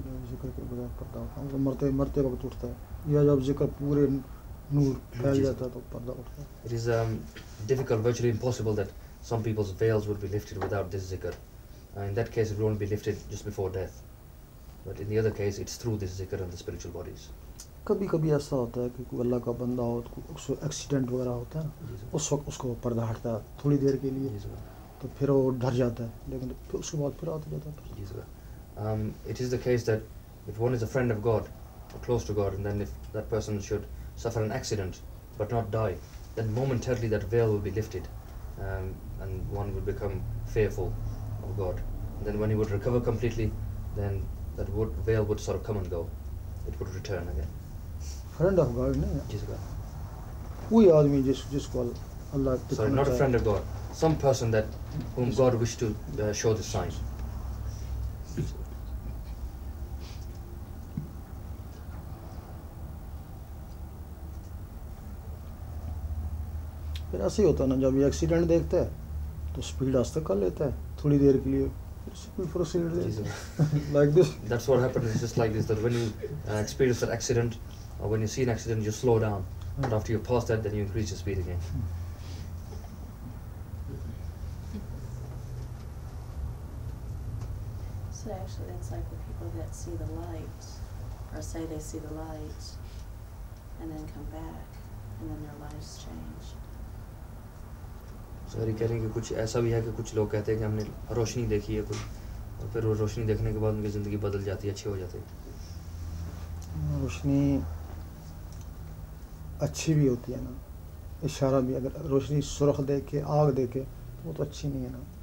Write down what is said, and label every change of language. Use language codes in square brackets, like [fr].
[hi] जिक्र के बगैर पर्दा उठता है मरते मरते वक्त उठता है या जब जिक्र पूरे नूर फैल जाता है तो पर्दा उठता है [en] It is difficult virtually impossible that some people's veils would be lifted without this जिक्र in that case it won't be lifted just before death But in the other case, it's through this zikr and the spiritual bodies. [hi] कभी कभी ऐसा होता है कि कोई अल्लाह का बंदा हो तो उसको एक्सीडेंट वगैरह होता है ना, उस वक्त उसको पर्दा हटता है थोड़ी देर के लिए, तो फिर वो डर जाता है, लेकिन फिर उसके बाद फिर आता जाता है. [en] It is the case that if one is a friend of God or close to God, and then if that person should suffer an accident but not die, then momentarily that veil will be lifted, and one would become fearful of God. And then when he would recover completely, then that veil would sort of come and go. It would return again. Friend of God, no? Yes, God. Who are you? Just call Allah. Sorry, not a friend of God. Some person that whom God wished to show the sign. [hi] फिर ऐसे ही होता है ना, जब ये accident देखता है तो स्पीड आस्ते कर लेता है थोड़ी देर के लिए. [en] Like this. That's what happens. It's just like this. That when you experience an accident, or when you see an accident, you slow down. But after you pass that, then you increase your speed again. So actually, that's like the people that see the light, or say they see the light, and then come back, and then their lives change. [hi] Sir कह रहे हैं कि कुछ ऐसा भी है कि कुछ लोग कहते हैं कि हमने रोशनी देखी है कुछ, और फिर वो रोशनी देखने के बाद उनकी ज़िंदगी बदल जाती है, अच्छे हो जाते हैं. रोशनी अच्छी भी होती है ना, इशारा भी. अगर रोशनी सुरख देखे, आग देखे, तो वो तो अच्छी नहीं है ना.